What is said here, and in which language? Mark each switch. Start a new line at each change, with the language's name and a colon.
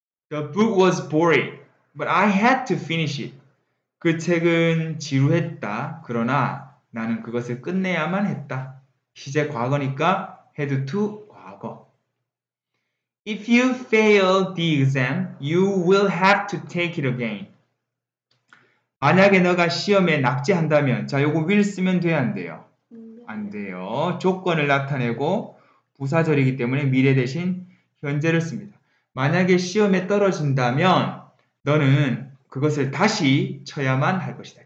English: The book was boring, but I had to finish it.
Korean: 그 책은 지루했다. 그러나 나는 그것을 끝내야만 했다. 시제 과거니까 had to 과거.
English: If you fail the exam, you will have to take it again.
Korean: 만약에 너가 시험에 낙제한다면, 자, 요거 will 쓰면 돼요, 안 돼요? 안 돼요. 조건을 나타내고 부사절이기 때문에 미래 대신 현재를 씁니다. 만약에 시험에 떨어진다면 너는 그것을 다시 쳐야만 할 것이다.